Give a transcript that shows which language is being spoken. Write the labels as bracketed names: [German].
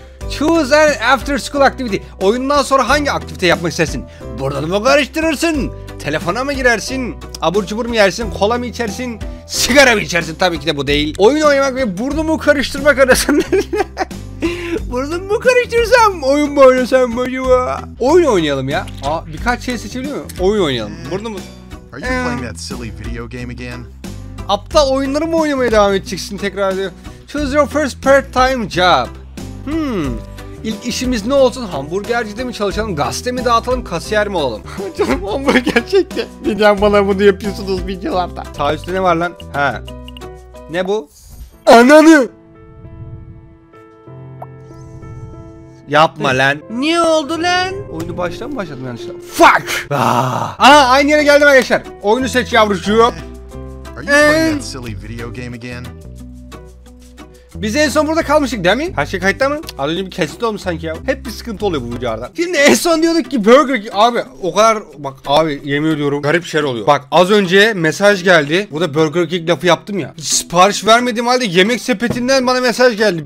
[English] Choose an after school activity. [Turkish] Oyundan sonra hangi aktivite yapmak istersin? Burada mı karıştırırsın? Telefona mı girersin? Abur cubur mu yersin? Kola mı içersin? Sigara mı içersin? Tabii ki de bu değil. Oyun oynamak ve burnumu karıştırmak arasında. Burnumu karıştırsam oyun mu oynasam mı acaba? Oyun oynayalım ya. Aa, birkaç şey seçebiliyor muyum? Oyun oynayalım. Burnumu... [English] Are you playing that silly video game again? [Turkish] Aptal oyunları mı oynamaya devam edeceksin tekrar diyor. [English] Choose your first part-time job. [Turkish] İlk işimiz ne olsun? Hamburgercide mi çalışalım? Gazete mi dağıtalım? Kasiyer mi olalım? Canım hamburger çekti. Neden bana bunu yapıyorsunuz videolarda? Taahhütte ne var lan? He. Ne bu? Ananı! Yapma lan. Ne oldu lan? Oyunu baştan mı başladım yanlışlıkla? Fuck! Aha, aynı yere geldim arkadaşlar. Oyunu seç yavrucuğum. [English] Are you playing that silly video game again? [Turkish] Biz en son burada kalmıştık değil mi? Her şey kayıtta mı? Az önce bir kesit olmuş sanki ya. Hep bir sıkıntı oluyor bu videolarda. Şimdi en son diyorduk ki Burger King. Abi o kadar bak abi yemin ediyorum garip şeyler oluyor. Bak az önce mesaj geldi. Burada Burger King lafı yaptım ya. Sipariş vermediğim halde yemek sepetinden bana mesaj geldi.